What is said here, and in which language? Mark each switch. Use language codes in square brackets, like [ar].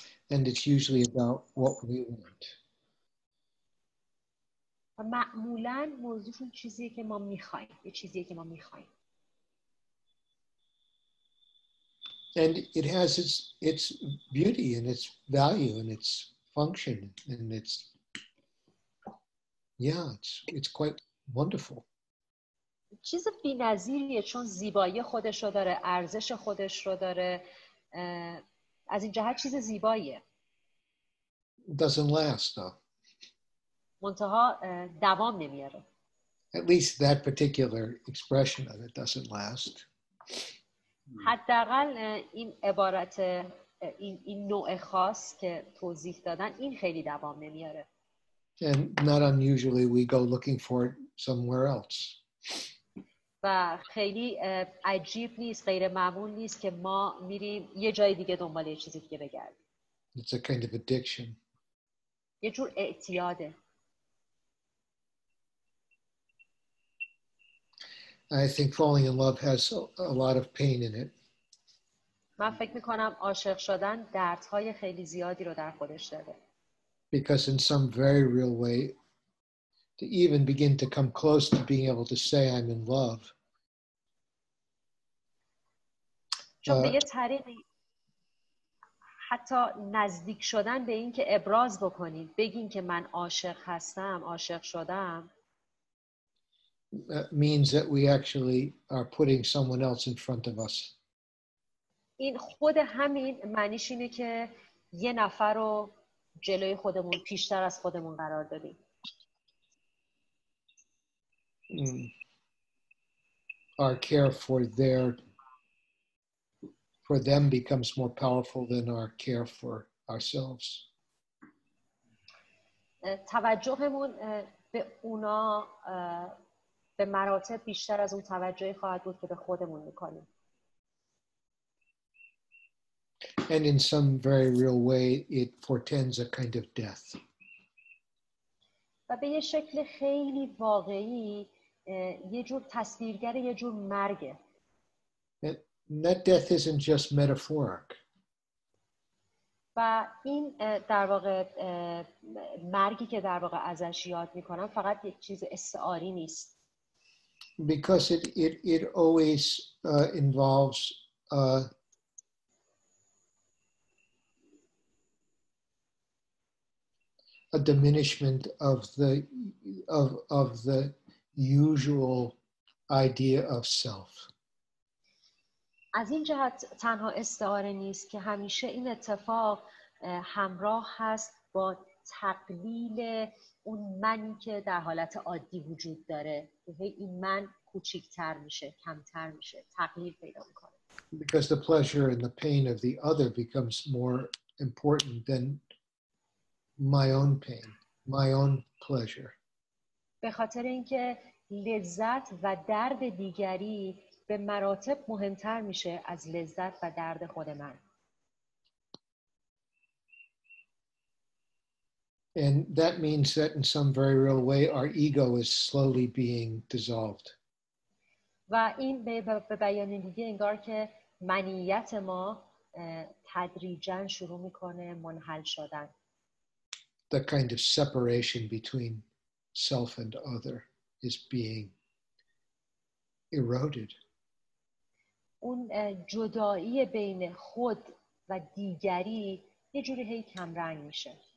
[en] And it's usually about what we want. [fa] و معمولاً موضوعشون چیزیه که ما می‌خوایم، یه چیزیه که ما می‌خوایم. [en] And it has its beauty and its value and its function and its yeah, it's quite wonderful. [fa] چیز بی‌نظیریه چون زیبایی خودش رو داره، ارزش خودش رو داره. از این جهت چیز زیباییه. [en] Doesn't last though. [fa] منتها دوام نمیاره. [en] At least that particular expression of it doesn't last. [fa] حداقل این عبارت این نوع خاص که توضیح دادن این خیلی دوام نمیاره. [en] And not unusually we go looking for it somewhere else. [fa] و خیلی عجیب نیست، غیر معمول نیست که ما میریم یه جای دیگه دنبال یه چیزی دیگه بگردیم. [en] It's a kind of addiction. [fa] یه جور اعتیاده. [en] I think falling in love has a lot of pain in it. [fa] من فکر می‌کنم عاشق شدن دردهای خیلی زیادی رو در خودش داره. [en] Because in some very real way, to even begin to come close to being able to say I'm in love. [fa] چون به یه طریقی حتی نزدیک شدن به این که ابراز بکنید، بگین که من عاشق هستم، عاشق شدم. [en] Means that we actually are putting someone else in front of us. [fa] این خود همین معنیش اینه که یه نفر رو جلوی خودمون پیشتر از خودمون قرار دادیم. [en] Our care for them becomes more powerful than our care for ourselves. [fa] توجهمون به اونا به مراتب بیشتر از اون توجهی خواهد بود که به خودمون میکنیم. [en] And in some very real way it portends a kind of death. [fa] و به یه شکل خیلی واقعی یه جور تصویرگر یه جور مرگه. [en] That death isn't just metaphoric. [fa] و و این در واقع مرگی که در واقع ازش یاد میکنم فقط یک چیز استعاری نیست. [en] Because it always involves a diminishment of the usual idea of self. [fa] از این جهت تنها استعاره نیست که همیشه این اتفاق همراه هست با تقلیل اون منی که در حالت عادی وجود داره. این من کوچیک‌تر میشه، کمتر میشه، تقلیل پیدا میکنه. [en] Because the pleasure and the pain of the other becomes more important than my own pain, my own pleasure. [fa] به خاطر اینکه لذت و درد دیگری به مراتب مهمتر میشه از لذت و درد خود من. [en] And that means that in some very real way our ego is slowly being dissolved. [fa] و این به بیان دیگه انگار که منیت ما تدریجا شروع میکنه منحل شدن. [en] The kind of separation between self and other is being eroded. [fa] اون جدایی بین خود و دیگری یه جوری هی کم رنگ میشه.